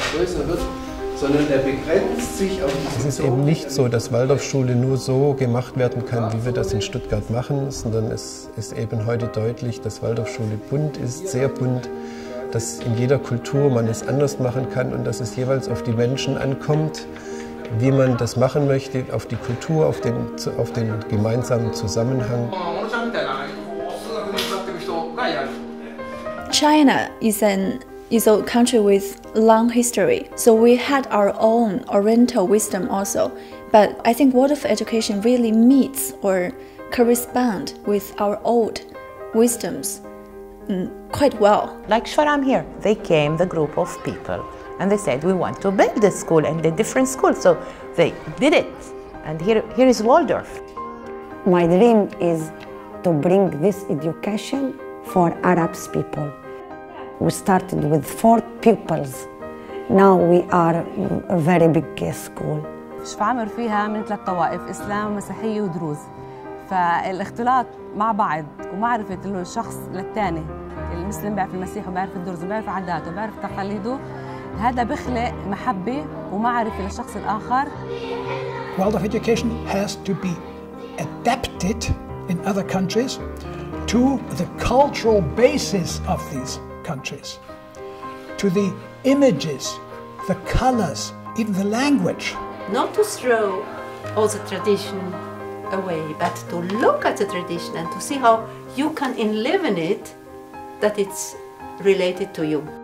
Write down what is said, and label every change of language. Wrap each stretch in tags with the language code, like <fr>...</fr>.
<de>Es ist eben nicht so, dass Waldorfschule nur so gemacht werden kann, wie wir das in Stuttgart machen, sondern es ist eben heute deutlich, dass Waldorfschule bunt ist, sehr bunt, dass in jeder Kultur man es anders machen kann und dass es jeweils auf die Menschen ankommt, wie man das machen möchte, auf die Kultur, auf den gemeinsamen Zusammenhang.</de> <en>China is a country with long history, so we had our own oriental wisdom also. But I think Waldorf education really meets or corresponds with our old wisdoms quite well. Like Shoram here, they came, the group of people, and they said, we want to build a school and a different school. So they did it. And here is Waldorf. My dream is to bring this education for Arab people. We started with 4 pupils. Now we are a very big school.</en> <ar>شفعمر فيها من 3 طوائف، إسلام، مسيحية ودروز. فالاختلاط مع بعض ومعرفة الشخص للثاني، المسلم بيعرف المسيح وبيعرف الدروز وبيعرف عاداته وبيعرف تقاليده، هذا بخلق محبة ومعرفة للشخص الآخر.</ar> <en>Waldorf education has to be adapted in other countries to the cultural basis of these countries, to the images, the colors, even the language. Not to throw all the tradition away, but to look at the tradition and to see how you can live in it, that it's related to you.</en>